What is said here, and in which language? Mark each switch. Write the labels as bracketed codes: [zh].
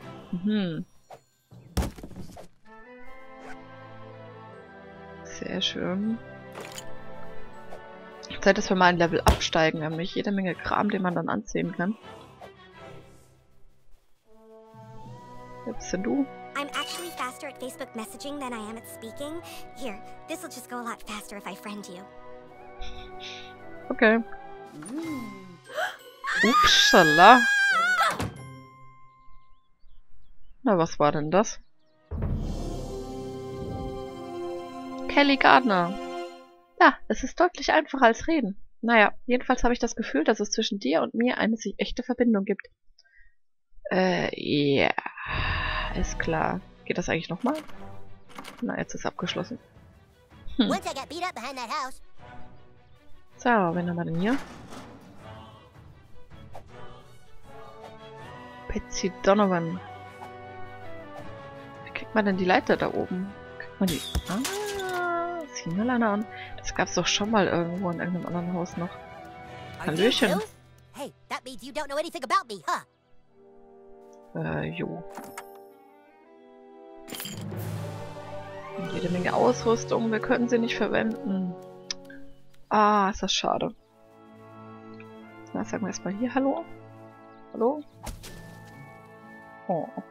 [de] Mhm. Sehr schön. Zeit, dass wir mal ein Level absteigen. Wir haben nämlich jede Menge Kram, den man dann anziehen kann. Wer bist denn du? [en] I'm actually faster at Facebook Messaging than I am at speaking. Here, this will just go a lot faster if I friend you. Okay. [de] Upsala. Na, was war denn das? Kelly Gardner. Ja, es ist deutlich einfacher als reden. Naja, jedenfalls habe ich das Gefühl, dass es zwischen dir und mir eine sich echte Verbindung gibt. Ja. Ist klar. Geht das eigentlich nochmal? Na, jetzt ist abgeschlossen. So, wen haben wir denn hier? Betsy Donovan. Wie kriegt man denn die Leiter da oben? Kriegt man die... Ah, sieh mal einer an. Das gab's doch schon mal irgendwo in irgendeinem anderen Haus noch. Hallöchen. [en] Hey, that means you don't know anything about me, huh? [de] Jo. Jede Menge Ausrüstung, wir können sie nicht verwenden. Ah, ist das schade. Na, sagen wir erstmal hier Hallo. Hallo? Oh.